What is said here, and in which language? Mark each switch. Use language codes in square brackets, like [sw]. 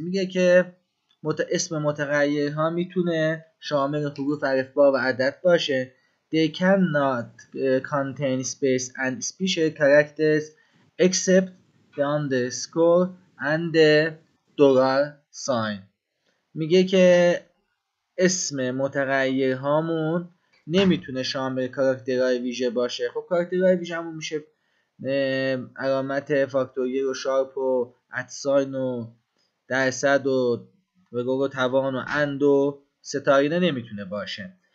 [fa] میگه که اسم متغیرها میتونه شامل حروف، الفبا و عدد باشه. [en] They cannot contain space and special characters except the underscore and the dollar sign. [fa] میگه که اسم متغیرهامون نمیتونه شامل کاراکترهای ویژه باشه. خب کاراکترهای ویژه همون میشه علامت فاکتوریل و شارپ و ادساین و درصد و وگوگ و توان و اند و ستاینه نمیتونه باشه.